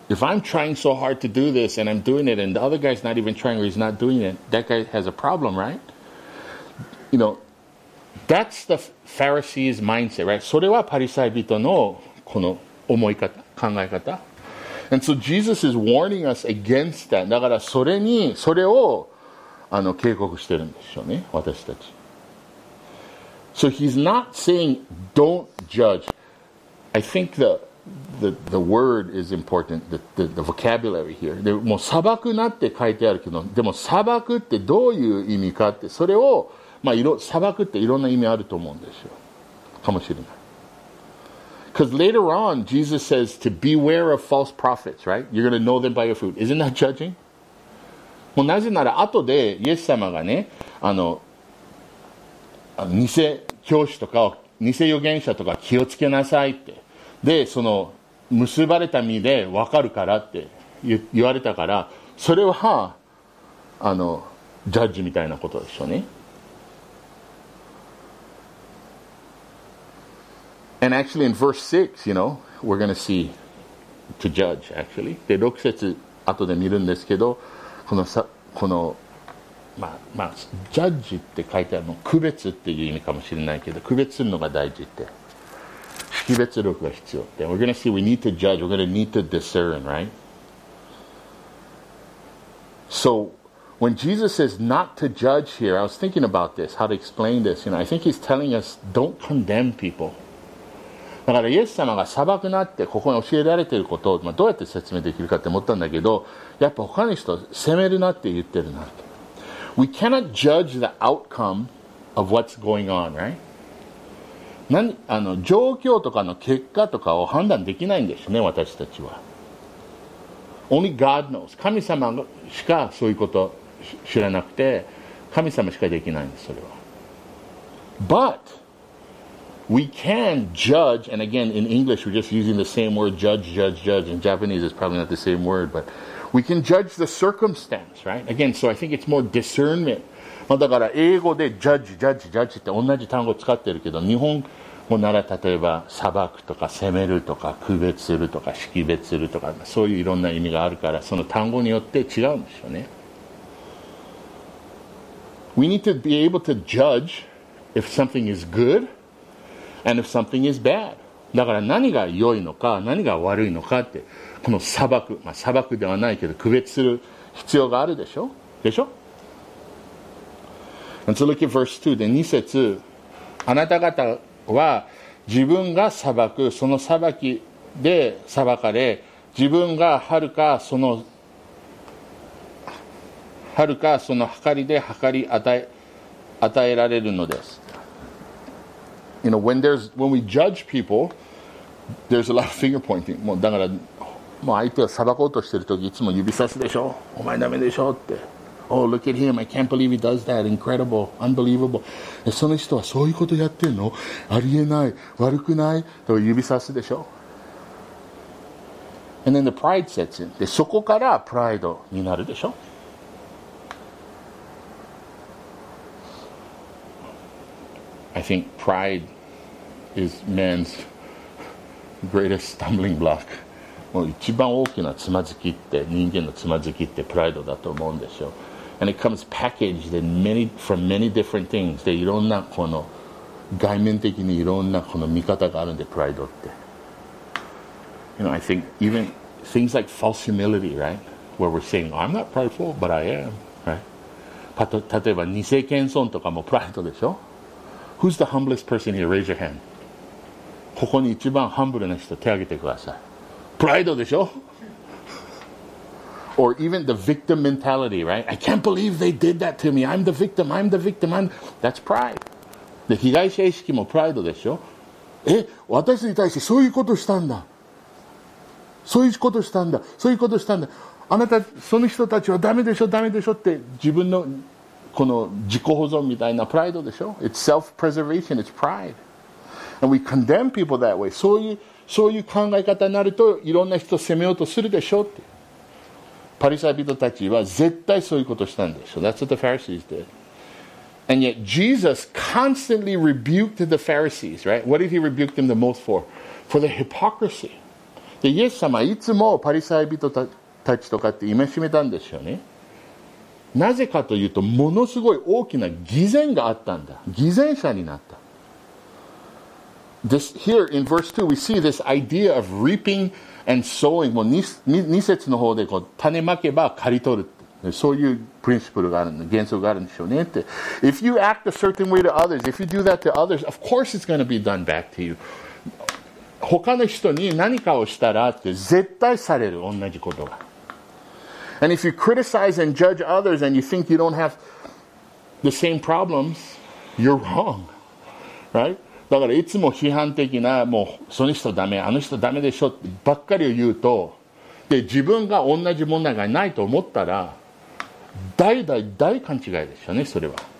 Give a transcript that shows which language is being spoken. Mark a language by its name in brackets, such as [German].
[English] If I'm trying so hard to do this and I'm doing it and the other guy's not even trying or he's not doing it, that guy has a problem, right? You knowThat's the Pharisee's mindset, right? [Japanese] それはパリサイ人のこの思い方、考え方。 [English] And so Jesus is warning us against that. [Japanese] だからそれを警告してるんでしょうね、私たち。 [English] So he's not saying don't judge. I think the word is important, the vocabulary here. [Japanese] でも裁くなって書いてあるけど、でも裁くってどういう意味かって、それを裁くっていろんな意味あると思うんですよ。かもしれない。 [English] Because later on, Jesus says to beware of false prophets, right? You're going to know them by your fruit. Isn't that judging? [Japanese] もうなぜなら後でイエス様がね、偽教師とか、偽預言者とか気をつけなさいって。で、その結ばれた身で分かるからって言われたから、それは、ジャッジみたいなことでしょうね。 [English] And actually in verse 6, you know, we're going to see to judge, actually. [Japanese] で、6節後で見るんですけど、この、ジャッジって書いてあるの、区別っていう意味かもしれないけど、区別するのが大事って。識別力が必要って。 [English] We're going to see we need to judge, we're going to need to discern, right? So, when Jesus says not to judge here, I was thinking about this, how to explain this. You know, I think he's telling us don't condemn people. [Japanese] だからイエス様が裁くなってここに教えられていることをどうやって説明できるかって思ったんだけど、やっぱ他の人を責めるなって言ってるなって。 [English] We cannot judge the outcome of what's going on, right? [Japanese] 状況とかの結果とかを判断できないんですね、私たちは。 [English] Only God knows. [Japanese] 神様しかそういうこと知らなくて、神様しかできないんです、それは。 [English] ButWe can judge, and again, in English, we're just using the same word, judge. In Japanese, it's probably not the same word, but we can judge the circumstance, right? Again, so I think it's more discernment. [Japanese] だから英語で judge って同じ単語使ってるけど、日本語なら例えば裁くとか責めるとか区別するとか識別するとか、そういういろんな意味があるから、その単語によって違うんですよね。 [English] We need to be able to judge if something is good,And if something is bad. [Japanese] だから何が良いのか何が悪いのかってこの裁く、裁くではないけど区別する必要があるでしょ、でしょ。 [English] And so look at verse 2. [Japanese] で、2節、あなた方は自分が裁く、その裁きで裁かれ、自分がはるかその計りで計り与えられるのです。 [English] You know, when we judge people, there's a lot of finger pointing. [Japanese] もうだから、もう相手を裁こうとしてるとき、いつも指さすでしょ。お前ダメでしょって。 [English] Oh, look at him. I can't believe he does that. Incredible. Unbelievable. [Japanese] え、その人はそういうことやってんの？ありえない。悪くない？と指さすでしょ。 [English] And then the pride sets in. [Japanese] で、そこからプライドになるでしょ。 [English] I think pride is man's greatest stumbling block. [Japanese] もう一番大きなつまずきって、人間のつまずきってプライドだと思うんですよ。 [English] And it comes packaged in many, from many different things. [Japanese] で、いろんなこの外面的にいろんなこの見方があるんで、プライドって。 [English] You know, I think even things like false humility, right? Where we're saying, I'm not prideful, but I am, right? [Japanese] 例えば、偽謙遜とかもプライドでしょ? [English] Who's the humblest person here? Raise your hand. [Japanese] ここに一番ハンブルな人、手挙げてください。プライドでしょ? [English] Or even the victim mentality, right? I can't believe they did that to me. I'm the victim. That's pride. [Japanese] で、被害者意識もプライドでしょ?え、私に対してそういうことしたんだ。そういうことしたんだ。あなた、その人たちはダメでしょって自分のこの自己保存みたいなプライドでしょ? [English] It's self-preservation, it's pride. And we condemn people that way. [Japanese] そういう考え方になると、いろんな人を責めようとするでしょって。パリサイ人たちは絶対そういうことしたんでしょ。 [English] That's what the Pharisees did. And yet Jesus constantly rebuked the Pharisees, right? What did he rebuke them the most for? For the hypocrisy. [Japanese] で、イエス様いつもパリサイ人たちとかって戒めたんですよね。なぜかというと、ものすごい大きな偽善があったんだ。偽善者になった。 [English] This, here in verse 2, we see this idea of reaping and sowing. [Japanese] もう 2節の方でこう種まけば刈り取るって。そういうプリンシプルがあるんで、原則があるんでしょうねって。 [English] If you act a certain way to others, if you do that to others, of course it's going to be done back to you. [Japanese] 他の人に何かをしたらって絶対される、同じことが。 [English] And if you criticize and judge others and you think you don't have the same problems, you're wrong. Right? [Japanese] だからいつも批判的な、もうその人ダメ、あの人ダメでしょってばっかりを言うと、で、自分が同じ問題がないと思ったら、大勘違いでしょうね、それは。